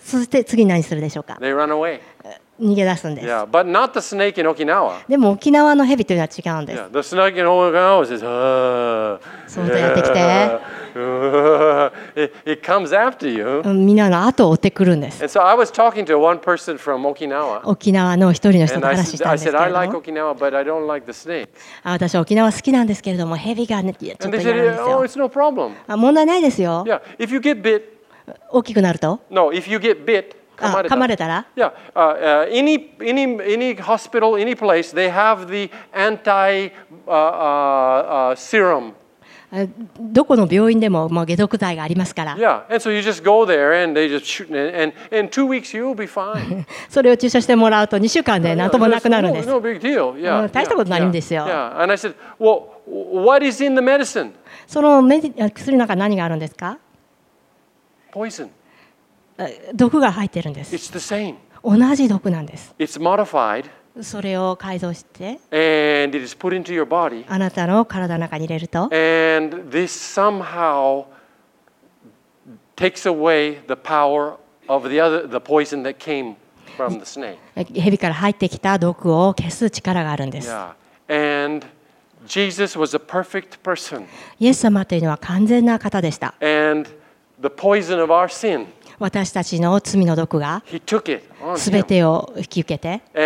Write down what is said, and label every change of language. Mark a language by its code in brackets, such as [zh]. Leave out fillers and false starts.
[ja] そして次何するでしょうか。 [en] They run away. [ja] 逃げ出すんです。 [en] Yeah, but not the snake in Okinawa. [ja] でも沖縄の蛇というのは違うんです。 [en] The snake in Okinawa says, [ja] そうやってきて。 [en] It comes after you. [ja] みんなの後を追ってくるんです。 [en] And so I was talking to one person from Okinawa. [ja] 沖縄の一人の人と話したんですけど。 [en] I said I like Okinawa, but I don't like the snakes. [ja] 私は沖縄好きなんですけれども、蛇がちょっと嫌なんですよ。 [en] Oh, it's no problem. [ja] 問題ないですよ。 [en] Yeah, if you get bit. [ja] 大きくなると。 [en] No, if you get bit. [ja] 噛まれたら。 [en] Yeah, any hospital, any place, they have the anti serum. [ja] どこの病院でも解毒剤がありますから。 [en] Yeah, and so you just go there and they just shoot and 2 weeks you'll be fine. [ja] それを注射してもらうと2週間で何ともなくなるんです。 [en] No big deal. Yeah, [ja] 大したことないんですよ。 [en] Yeah, and I said, well, what is in the medicine? [ja] その薬の中何があるんですか [en] ？Poison. [ja] 毒が入ってるんです。 [en] It's the same. [ja] 同じ毒なんです。 [en] It's modified. [ja] それを改造して [en] and it is put into your body. [ja] あなたの体の中に入れると [en] and this somehow takes away the power of the poison that came from the snake. [ja] 蛇から入ってきた毒を消す力があるんです。 [en] Yeah. And Jesus was a perfect person. [ja] イエス様というのは完全な方でした。 [en] And the poison of our sin. [ja] 私たちの罪の毒が全てを引き受けて、